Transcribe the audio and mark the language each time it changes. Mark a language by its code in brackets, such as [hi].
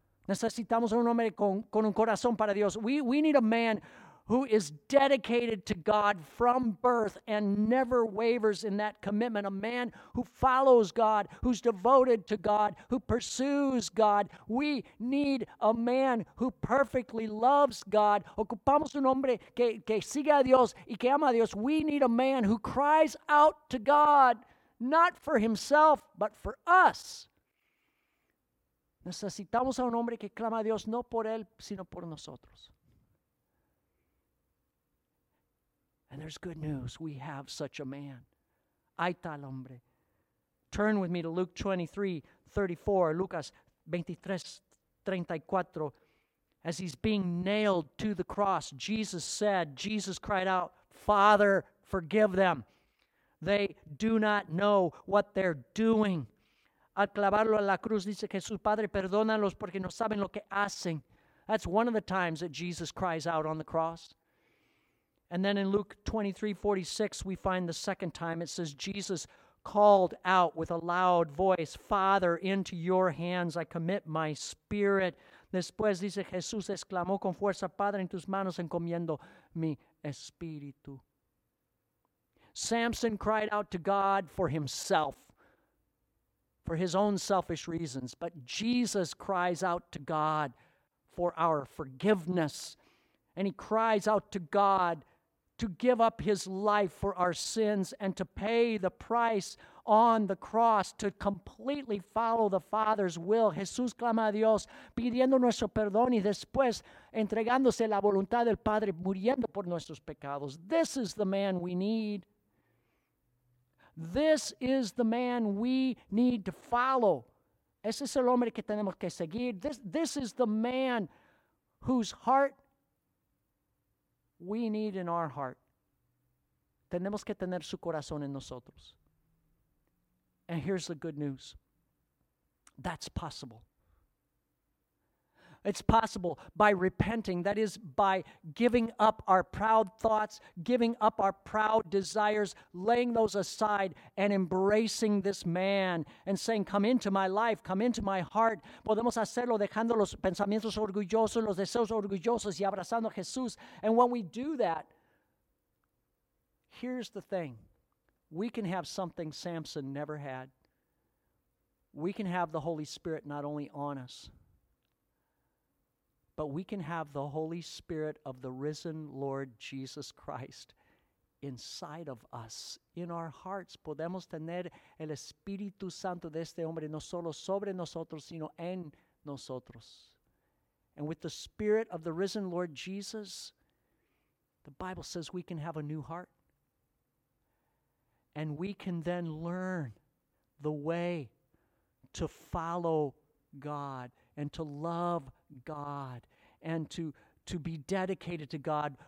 [es] Necesitamos un hombre con un corazón para Dios. [en] We need a man who is dedicated to God from birth and never wavers in that commitment. A man who follows God, who's devoted to God, who pursues God. We need a man who perfectly loves God. [es] Ocupamos un hombre que sigue a Dios y que ama a Dios. [en] We need a man who cries out to God, not for himself, but for us. [es] Necesitamos a un hombre que clama a Dios, no por él, sino por nosotros. [en] And there's good news. We have such a man. [es] Hay tal hombre. [en] Turn with me to Luke 23:34. Lucas 23:34. As he's being nailed to the cross, Jesus cried out, Father, forgive them. They do not know what they're doing. [es] Al clavarlo a la cruz, dice Jesús, Padre, perdónalos porque no saben lo que hacen. [en] That's one of the times that Jesus cries out on the cross. And then in Luke 23:46, we find the second time. It says, Jesus called out with a loud voice, Father, into your hands I commit my spirit. [es] Después dice, Jesús exclamó con fuerza, Padre, en tus manos encomiendo mi espíritu. [en] Samson cried out to God for himself, for his own selfish reasons. But Jesus cries out to God for our forgiveness. And he cries out to God to give up his life for our sins and to pay the price on the cross, to completely follow the Father's will. [es] Jesús clama a Dios pidiendo nuestro perdón y después entregándose la voluntad del Padre, muriendo por nuestros pecados. [en] This is the man we need. This is the man we need to follow. [es] Ese es el hombre que tenemos que seguir. [en] This is the man whose heart we need in our heart. [es] Tenemos que tener su corazón en nosotros. [en] And here's the good news. That's possible. It's possible by repenting, that is, by giving up our proud thoughts, giving up our proud desires, laying those aside and embracing this man and saying, come into my life, come into my heart. [es] Podemos hacerlo dejando los pensamientos orgullosos, los deseos orgullosos y abrazando a Jesús. [en] And when we do that, here's the thing. We can have something Samson never had. We can have the Holy Spirit not only on us, but we can have the Holy Spirit of the risen Lord Jesus Christ inside of us, in our hearts. [es] Podemos tener el Espíritu Santo de este hombre no solo sobre nosotros, sino en nosotros. [en] And with the Spirit of the risen Lord Jesus, the Bible says we can have a new heart. And we can then learn the way to follow God and to love God and to be dedicated to God.